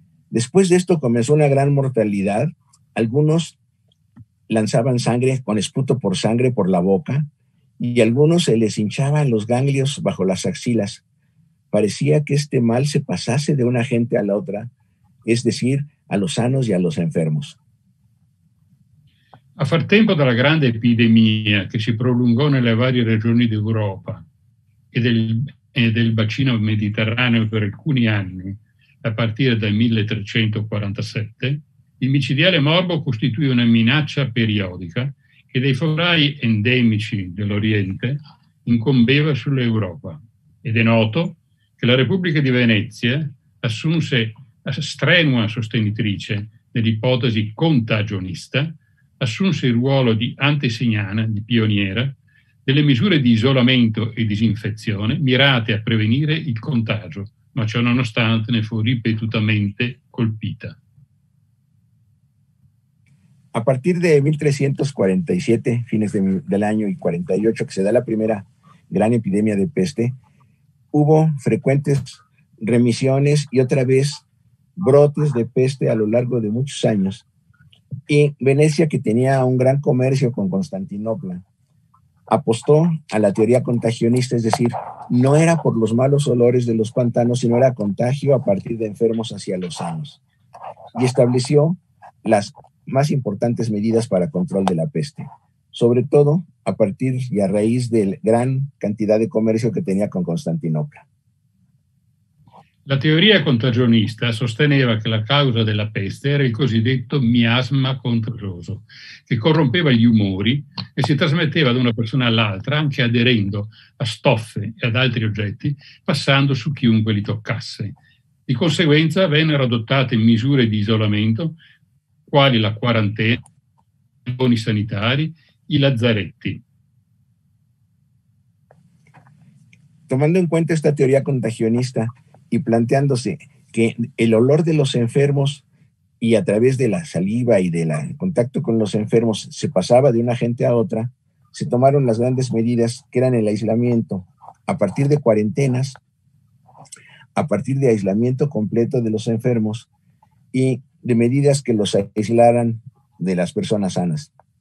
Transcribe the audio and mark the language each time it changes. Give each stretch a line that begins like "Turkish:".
Spanish: Después de esto comenzó una gran mortalidad, algunos lanzaban sangre con esputo por sangre por la boca, y algunos se les hinchaban los ganglios bajo las axilas. Parecía que este mal se pasase de una gente a la otra, es decir, a los sanos y a los enfermos.
Italian: A far tempo della grande epidemia che si prolungò nelle varie regioni d'Europa e del bacino mediterraneo per alcuni anni, a partire dal 1347, il micidiale morbo costituì una minaccia periodica che dei focolai endemici dell'Oriente incombeva sull'Europa. Ed è noto che la Repubblica di Venezia assunse la strenua sostenitrice dell'ipotesi contagionista assunse il ruolo di antesignana, di pioniera, delle misure di isolamento e disinfezione mirate a prevenire il contagio, ma ciò nonostante ne fu ripetutamente colpita.
Spanish: A partir de 1347, fines del año 48, que se da la primera gran epidemia de peste, hubo frecuentes remisiones y otra vez brotes de peste a lo largo de muchos años. Y Venecia, que tenía un gran comercio con Constantinopla, apostó a la teoría contagionista, es decir, no era por los malos olores de los pantanos, sino era contagio a partir de enfermos hacia los sanos. Y estableció las más importantes medidas para control de la peste, sobre todo a partir y a raíz de la gran cantidad de comercio que tenía con Constantinopla. La teoría
Italian: contagionista sosteneva che la causa della peste era il cosiddetto miasma contagioso, che corrompeva gli umori e si trasmetteva da una persona all'altra anche aderendo a stoffe e ad altri oggetti, passando su chiunque li toccasse. Di conseguenza vennero adottate misure di isolamento, quali la quarantena, i boni sanitari, i lazzaretti.
Spanish: Tomando in cuenta
Italian: questa teoria contagionista,
Spanish: y planteándose que el olor de los enfermos y a través de la saliva y del contacto con los enfermos se pasaba de una gente a otra, se tomaron las grandes medidas que eran el aislamiento a partir de cuarentenas, a partir de aislamiento completo de los enfermos y de medidas que los aislaran de las personas sanas.